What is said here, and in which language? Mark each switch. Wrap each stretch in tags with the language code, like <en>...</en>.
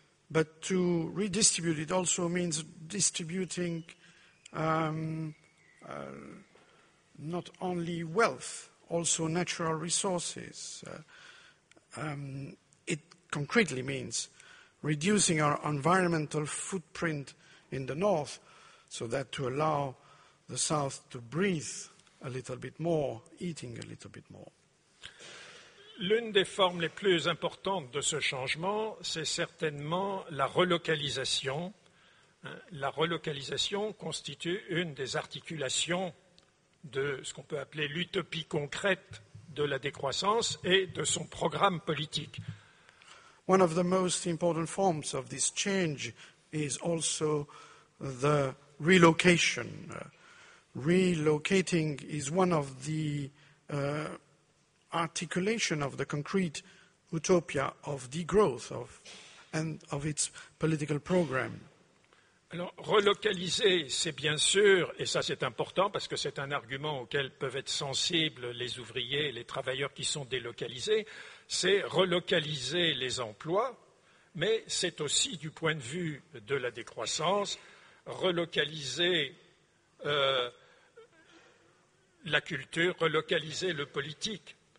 <en>But to redistribute, it also means distributing not only wealth, also natural resources. It concretely means reducing our environmental footprint in the north so that to allow the south to breathe a little bit more, eating a little bit more.</en> <fr>L'une des formes les plus importantes de ce changement, c'est certainement la relocalisation. La relocalisation constitue une des articulations de ce qu'on peut appeler l'utopie concrète de la décroissance et de son programme politique.</fr> <en>One of the most important forms of this change is also the relocation. Relocating is one of the articulation of the concrete utopia of degrowth of, and of its political program.</en> <fr>Alors, relocaliser, c'est bien sûr, et ça c'est important parce que c'est un argument auquel peuvent être sensibles les ouvriers, les travailleurs qui sont délocalisés, c'est relocaliser les emplois, mais c'est aussi du point de vue de la décroissance, relocaliser la culture, relocaliser le politique.</fr>